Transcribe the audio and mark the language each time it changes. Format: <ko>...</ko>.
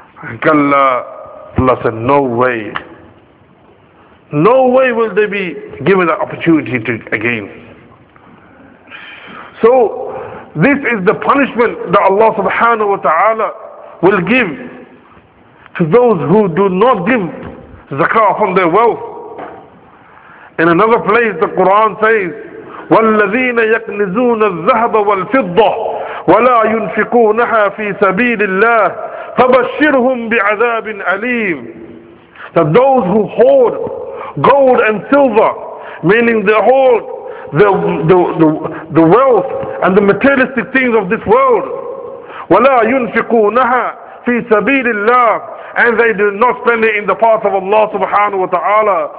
<en>Allah said, "No way. No way will they be given that opportunity to again." So, this is the punishment that Allah subhanahu wa ta'ala will give to those who do not give zakah from their wealth. In another place, the Quran says,</en> <ar>وَالَّذِينَ يَكْنِزُونَ الذَّهَبَ وَالْفِضَّةِ وَلَا يُنْفِقُونَهَا فِي سَبِيلِ اللَّهِ فَبَشِّرْهُمْ بِعَذَابٍ أَلِيمٍ.</ar> <en>That those who hoard gold and silver, meaning they hoard the wealth and the materialistic things of this world,</en> <ar>وَلَا يُنْفِقُونَهَا فِي سَبِيلِ اللَّهِ,</ar> <en>and they do not spend it in the path of Allah subhanahu wa ta'ala,</en>